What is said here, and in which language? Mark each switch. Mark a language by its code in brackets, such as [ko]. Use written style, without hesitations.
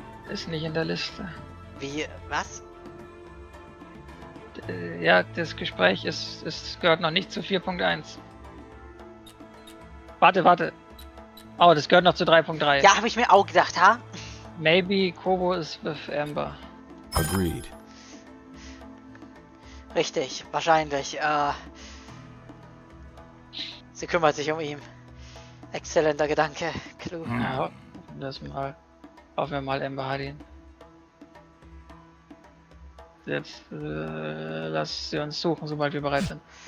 [de] Ist nicht in der Liste. Wie? Was? Ja, das Gespräch ist gehört noch nicht zu 4.1. Warte. Oh, das gehört noch zu 3.3. Ja, habe ich mir auch gedacht, ha? [en] Maybe Kobo is with Amber. Agreed. [de] Richtig, wahrscheinlich. Sie kümmert sich um ihn. Exzellenter Gedanke, klug. Ja, das mal. Hoffen wir mal, Amber hat ihn. Jetzt lass sie uns suchen, sobald wir bereit sind.